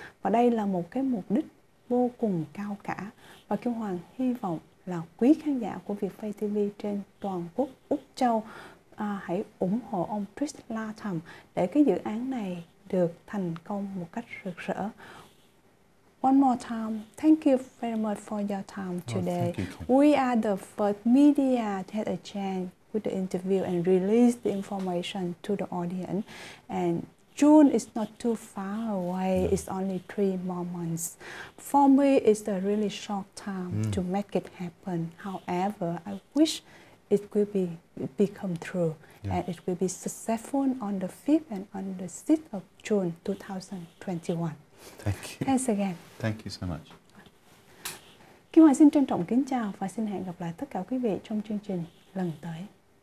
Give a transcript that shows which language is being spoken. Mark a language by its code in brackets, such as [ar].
[vi] Và đây là một cái mục đích vô cùng cao cả. Và Kim Hoàng hy vọng là quý khán giả của Vietface TV trên toàn quốc Úc Châu hãy ủng hộ ông Trish Latham để cái dự án này được thành công một cách rực rỡ. [en] One more time, thank you very much for your time today. Oh, we are the first media to have a chance with the interview and release the information to the audience. And June is not too far away. Yeah. It's only 3 more months. For me, it's a really short time to make it happen. However, I wish it will be come true. Yeah. And it will be successful on the 5th and on the 6th of June 2021. Thank you. Thanks again. Thank you so much. [vi] Kim Hoa xin trân trọng kính chào và xin hẹn gặp lại tất cả quý vị trong chương trình lần tới.